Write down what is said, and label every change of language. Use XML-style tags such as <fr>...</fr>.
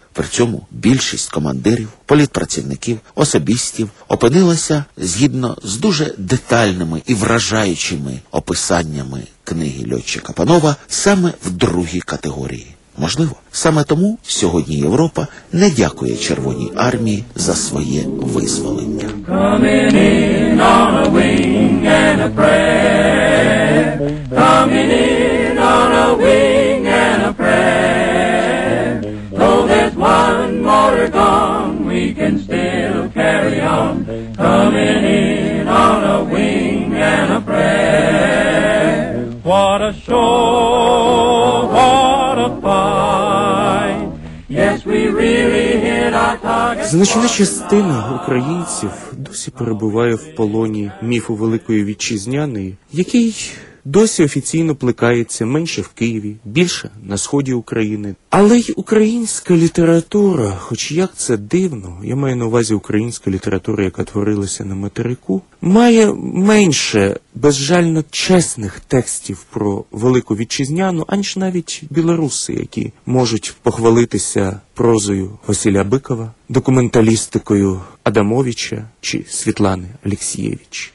<uk>При цьому більшість командирів, політпрацівників, особістів опинилася, згідно з дуже детальними і вражаючими описаннями книги льотчика Панова, саме в другій категорії. Можливо, саме тому сьогодні Європа не дякує Червоній армії за своє визволення.</uk> <en>Coming in on a wing and a prayer. Coming in on a wing and a prayer. Oh, there's one mortar gone, we can still carry on. Coming in on a wing and a prayer. What a show, what a fight. Yes, we really hit our target.</en> <uk>Значна частина українців досі перебуває в полоні міфу Великої Вітчизняної, який досі офіційно плекається менше в Києві, більше на сході України. Але й українська література, хоч як це дивно, я маю на увазі українська література, яка творилася на материку, має менше безжально чесних текстів про Велику Вітчизняну, аніж навіть білоруси, які можуть похвалитися прозою Василя Бикова, документалістикою Адамовича чи Світлани Алексєвич.</uk>